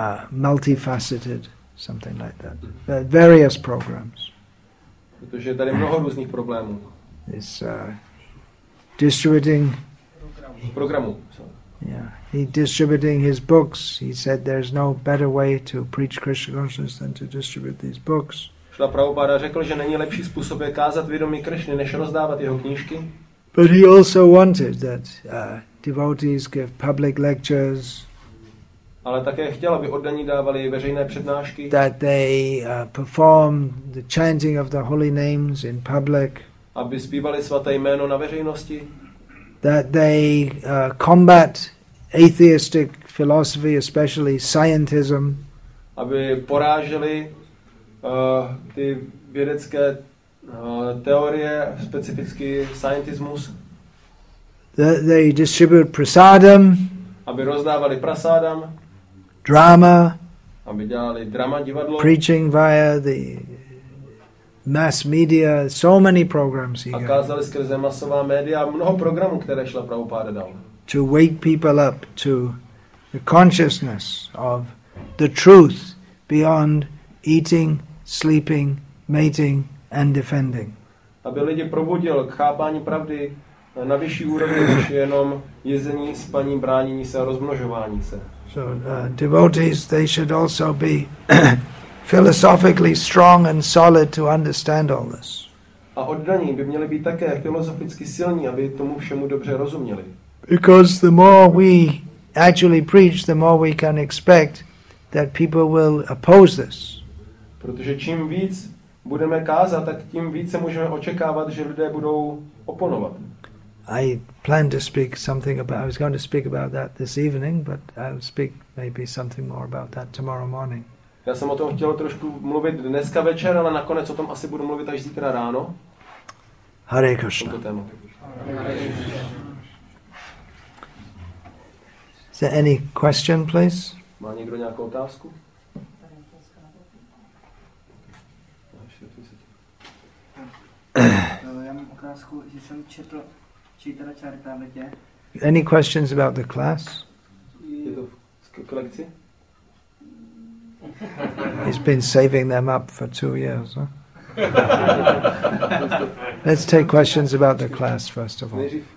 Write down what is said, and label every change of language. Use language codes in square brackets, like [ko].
[en] Multifaceted, something like that. Various programs. [cs] Protože je tady mnoho různých problémů. [en] It's distributing [cs] programu. [en] Yeah, he's distributing his books. He said there's no better way to preach Krishna consciousness than to distribute these books. [cs] Srila Prabhupada řekl, že není lepší způsob je kázat vědomí Krishny, než rozdávat jeho knížky. [en] But he also wanted that devotees give public lectures. [cs] Ale také chtěl, aby oddaní dávali veřejné přednášky. [en] That they perform the chanting of the holy names in public. [cs] Aby zpívali svaté jméno na veřejnosti. [en] That they combat atheistic philosophy, especially scientism. [cs] Aby poráželi ty vědecké teorie, specificky scientismus. [en] That they distribute prasadam. [cs] Aby rozdávali prasadam. [en] Drama. [cs] Aby dělali drama divadlo. [en] Preaching via the mass media, so many programs he [cs] got. A kázali skrze masová média, mnoho programů, které Srila Prabhupada dal. [en] To wake people up to the consciousness of the truth beyond eating, sleeping, mating and defending. [cs] Aby lidi probudil k chápání pravdy na vyšší úrovni, než jenom jezení, spaní, bránění se a rozmnožování se. [en] So devotees, they should also be philosophically strong and solid to understand all this. [cs] A oddaní by měli být také filozoficky silní, aby tomu všemu dobře rozuměli. [en] Because the more we actually preach, the more we can expect that people will oppose this. [cs] Protože čím víc budeme kázat, tak tím více můžeme očekávat, že lidé budou oponovat. [en] I plan to speak something about, I was going to speak about that this evening, but I'll speak maybe something more about that tomorrow morning. [cs] Já jsem o tom chtěl trošku mluvit dneska večer, ale nakonec o tom asi budu mluvit až zítra ráno. [en] Hare Krishna. [cs] Tomto tému. [en] Is there any question, please? [cs] Má někdo nějakou otázku? Já mám otázku, že jsem četl Čítra Čaritamritě. [en] Any questions about the class? [cs] Je to kolekci? [en] He's been saving them up for 2 years. Huh? Let's take questions about the class first of all.